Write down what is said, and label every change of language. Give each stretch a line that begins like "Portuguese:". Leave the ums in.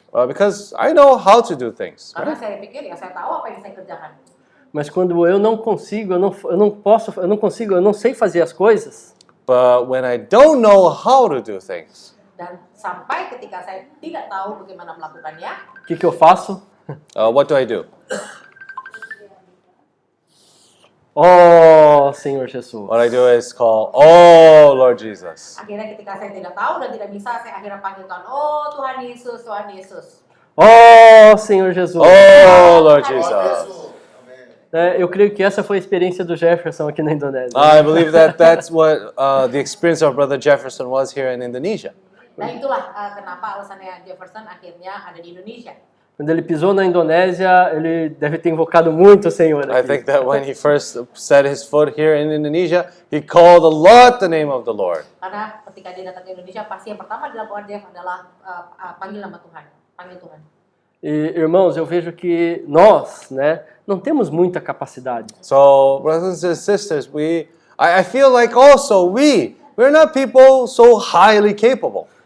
English: Well, because I know how to do things. Right? Right?
Portuguese: Mas quando eu não consigo, eu não, eu não posso, eu não consigo, eu não sei fazer as coisas.
English: But when I don't know how to do things
Indonesian: sampai ketika saya tidak tahu bagaimana melakukannya.
Portuguese: Kiko faço?
English: Uh, what do I do?
Portuguese: oh, Senhor Jesus.
English: What I do is call, Oh, Lord Jesus.
Indonesian: Akhirnya ketika saya tidak tahu dan tidak bisa, saya akhirnya panggil Tuhan. Oh, Tuhan Yesus, Tuhan Yesus.
Portuguese: Oh, Senhor Jesus.
English: Oh, Lord Jesus.
Portuguese: Eu creio que essa foi a experiência do Jefferson aqui uh, na Indonésia.
English: I believe that that's what uh, the experience of Brother Jefferson was here in Indonesia.
Indonesian: Nah itulah uh, kenapa alasannya Jefferson akhirnya ada di Indonesia.
Portuguese: Quando ele pisou na Indonésia, ele deve ter invocado muito o Senhor. Aqui.
English: I think that when he first set his foot here in Indonesia, he called a lot the name of the Lord.
Indonesian: Karena ketika dia datang ke Indonesia, pasti yang pertama dilakukan dia adalah uh, panggil nama Tuhan, panggil Tuhan.
Portuguese: E, irmãos, eu vejo que nós, né, não temos muita capacidade.
English: So, brothers and sisters, we, I, I feel like also we, we're not people so highly capable